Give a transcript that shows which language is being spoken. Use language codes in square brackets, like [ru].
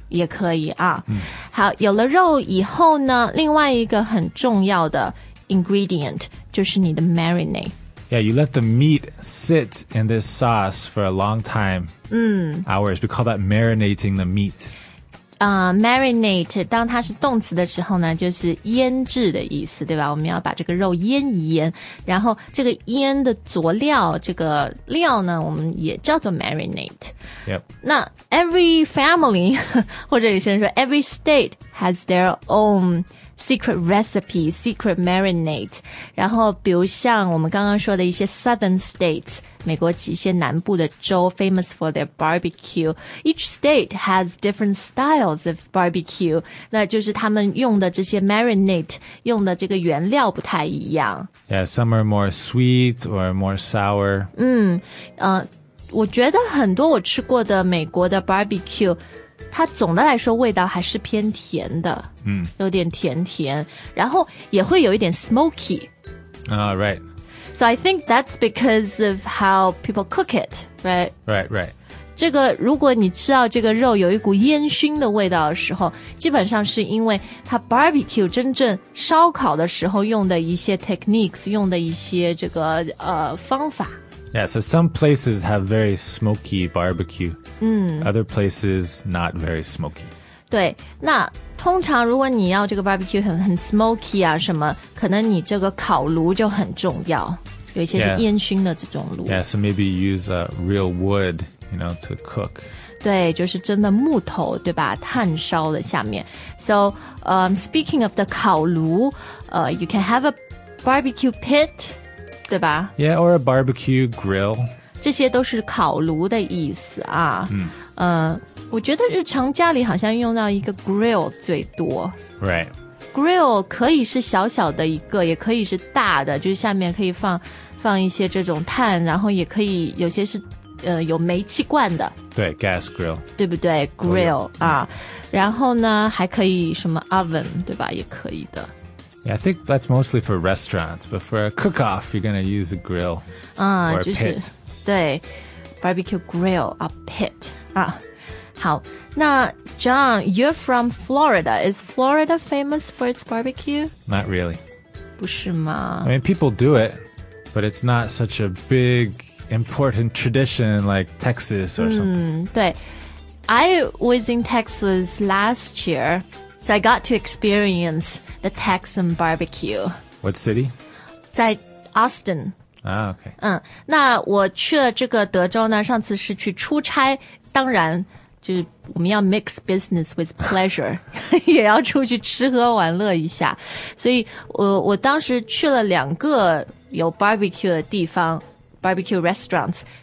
[zh] 也可以啊、好有了肉以后呢另外一个很重要的 ingredient 就是你的 marinade [en] Yeah, you let the meat sit in this sauce for a long time hours We call that marinating the meat [zh] Marinate 当它是动词的时候呢就是腌制的意思对吧我们要把这个肉腌一腌然后这个腌的佐料这个料呢我们也叫做 marinate、 [en] yep. [zh] 那 every family 或者有些人说 [en] every state has their own secret recipe secret marinate [zh] 然后比如像我们刚刚说的一些 southern states 美国一些南部的州 [en] famous for their barbecue each state has different styles of barbecue [zh] 那就是他们用的这些 marinate 用的这个原料不太一样 [en] Yeah, some are more sweet or more sour [zh] 我觉得很多我吃过的美国的 barbecue它总的来说味道还是偏甜的有点甜甜然后也会有一点 smoky [en] Right So I think that's because of how people cook it Right Right Right [zh] 这个如果你吃到这个肉有一股烟熏的味道的时候基本上是因为它 barbecue 真正烧烤的时候用的一些 techniques 用的一些这个方法 [en] Yeah so some places have very smoky barbecue Other places not very smoky [zh] 对那通常如果你要这个 barbecue 很 smoky 啊什么可能你这个烤炉就很重要有一些是烟熏的这种炉 [en] Yeah, so maybe use a real wood you know, to cook. [zh] 对，就是真的木头，对吧？炭烧的下面。 [en] So, speaking of the 烤炉, you can have a barbecue pit, 对吧？ Yeah, or a barbecue grill. [zh] 这些都是烤炉的意思啊。我觉得日常家里好像用到一个 grill 最多。 [en] Right. [zh] Grill 可以是小小的一个，也可以是大的，就是下面可以放一些这种炭，然后也可以有些是有煤气罐的。对 ，gas grill， [en] 对不对 ？Grill、oh, yeah. [zh] 啊，然后呢还可以什么 oven， 对吧？也可以的。 [en] Yeah, I think that's mostly for restaurants, but for a cook-off, you're gonna use a grill、啊、 or a pit. [zh] 就是对 ，barbecue grill a pit 啊。 [en] 好，那 John, you're from Florida. Is Florida famous for its barbecue? Not really. [zh] 不是吗？ [en] I mean, people do it, but it's not such a big, important tradition like Texas or something. [zh] 对。 [en] I was in Texas last year, so I got to experience the Texan barbecue. What city? [zh] 在 Austin. [en] Okay. [zh] 那我去了这个德州呢，上次是去出差，当然就是我们要 [en] mix business with pleasure, [zh] 也要出去吃喝玩乐一下。所以我当时去了两个有 barbecue 的地方 ,barbecue restaurants。